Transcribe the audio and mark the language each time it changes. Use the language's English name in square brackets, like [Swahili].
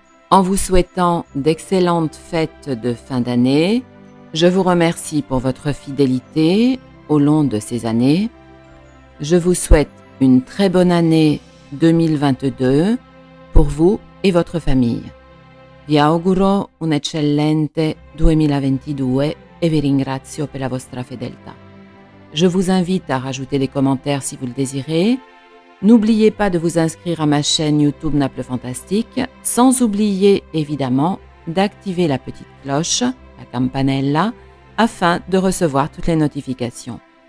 [French] En vous souhaitant d'excellentes fêtes de fin d'année, je vous remercie pour votre fidélité au long de ces années. Je vous souhaite une très bonne année 2022 pour vous et votre famille. [Italian] Vi auguro un eccellente 2022 e vi ringrazio per la vostra fedeltà. [French] Je vous invite à rajouter des commentaires si vous le désirez. N'oubliez pas de vous inscrire à ma chaîne YouTube Naples Fantastique, sans oublier évidemment d'activer la petite cloche, la campanella, afin de recevoir toutes les notifications.